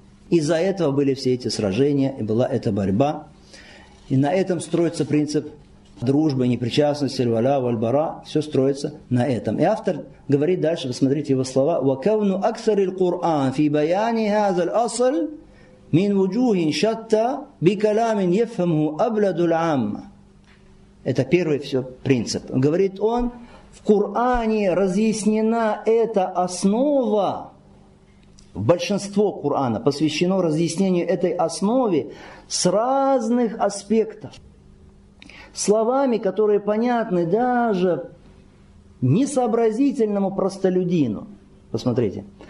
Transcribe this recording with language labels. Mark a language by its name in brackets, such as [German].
[Russian] Из-за этого были все эти сражения и была эта борьба. И на этом строится принцип дружбы, непричастности, валя, вальбара. Все строится на этом. И автор говорит дальше, посмотрите его слова. [Arabic] وَكَوْنُ أَكْثَرِ الْقُرْآنِ فِي بَيَانِ هَذَا الْأَصْلِ من وجوه شتى بكلام يفهمه أبلد العامة. [Russian] Это первый все принцип. Говорит он, в Коране разъяснена эта основа. Большинство Корана посвящено разъяснению этой основы с разных аспектов. Словами, которые понятны даже несообразительному простолюдину. Посмотрите.